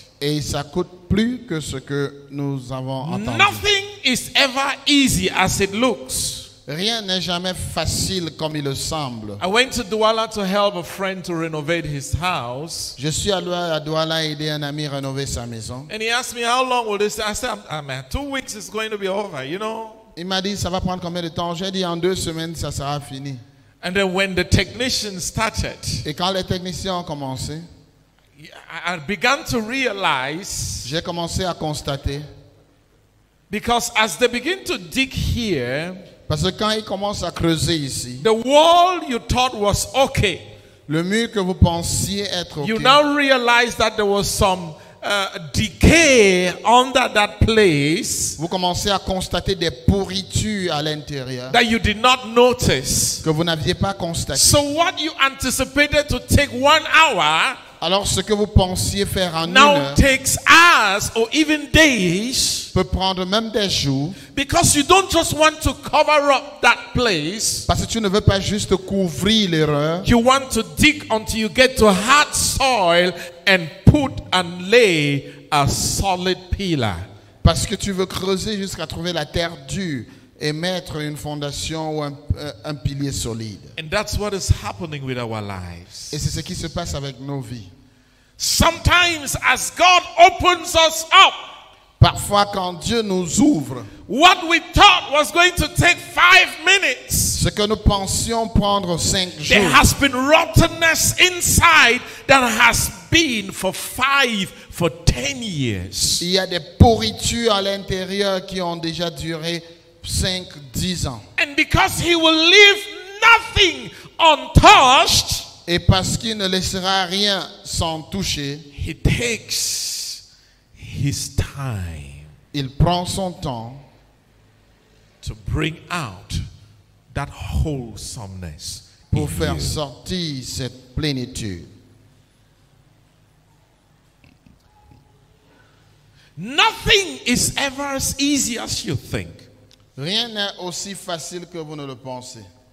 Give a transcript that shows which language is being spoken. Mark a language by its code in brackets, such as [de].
[fr] Et ça coûte plus que ce que nous avons attendu. [en] Nothing is ever easy as it looks. [fr] Rien n'est jamais facile comme il le semble. [en] I went to Douala to help a friend to renovate his house. [fr] Je suis allé à Douala aider un ami rénover sa maison. [en] And he asked me how long will this take. I said, "Ah, man, 2 weeks is going to be over, you know." [fr] Il m'a dit, ça va prendre combien de temps? J'ai dit, en 2 semaines, ça sera fini. [en] And then when the technician started, [fr] et quand les techniciens ont commencé, [en] I began to realize, [fr] j'ai commencé à constater, [en] because as they begin to dig here, [fr] parce que quand ils commencent à creuser ici, [en] the wall you thought was okay, [fr] le mur que vous pensiez être okay, [en] you now realize that there was some decay under that place. [fr] Vous commencez à constater des pourritures à l'intérieur. [en] That you did not notice. [fr] Que vous n'aviez pas constaté. [en] So what you anticipated to take 1 hour. [fr] Alors ce que vous pensiez faire en [en] now [fr] une heure. [en] Now takes hours or even days. [fr] Peut prendre même des jours. [en] Because you don't just want to cover up that place. [fr] Parce que tu ne veux pas juste couvrir l'erreur. [en] You want to dig until you get to hard soil and put and lay a solid pillar. [fr] Parce que tu veux creuser jusqu'à trouver la terre dure et mettre une fondation ou un pilier solide. [en] And that's what is happening with our lives. [fr] Et c'est ce qui se passe avec nos vies. [en] Sometimes as God opens us up, [fr] parfois quand Dieu nous ouvre, [en] what we thought was going to take 5 minutes, [fr] ce que nous pensions prendre 5 jours, [en] there has been rottenness inside that has been for 10 years. [fr] Il y a des pourritures à l'intérieur qui ont déjà duré 5-10 ans. [en] And because he will leave nothing untouched, [fr] et parce qu'il ne laissera rien sans toucher, [en] he takes his time. [fr] Il prend son temps [en] to bring out that wholesomeness [fr] pour faire sortir cette plénitude. [en] Nothing is ever as easy as you think. [fr] Rien n'est aussi facile que vous ne le pensez.